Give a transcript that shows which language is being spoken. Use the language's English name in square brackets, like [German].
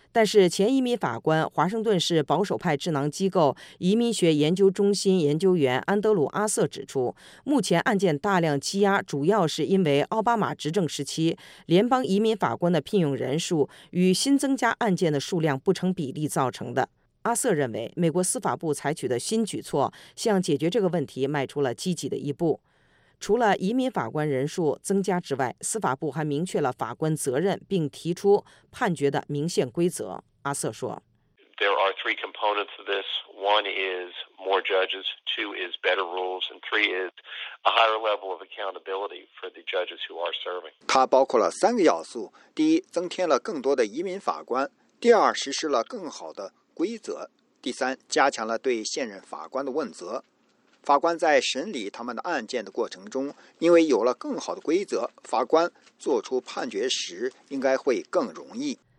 [Chinese] 但是前移民法官、华盛顿市保守派智囊机构移民学研究中心研究员安德鲁·阿瑟指出，目前案件大量积压主要是因为奥巴马执政时期联邦移民法官的聘用人数与新增加案件的数量不成比例造成的。阿瑟认为，美国司法部采取的新举措向解决这个问题迈出了积极的一步。除了移民法官人数增加之外，司法部还明确了法官责任，并提出判决的明显规则。阿瑟说， [English] There are three components of this. One is more judges, two is better rules, and three is a higher level of accountability for the judges who are serving. [Chinese] 它包括了三个要素：第一，增添了更多的移民法官；第二，实施了更好的规则；第三，加强了对现任法官的问责。法官在审理他们的案件的过程中，因为有了更好的规则，法官做出判决时应该会更容易。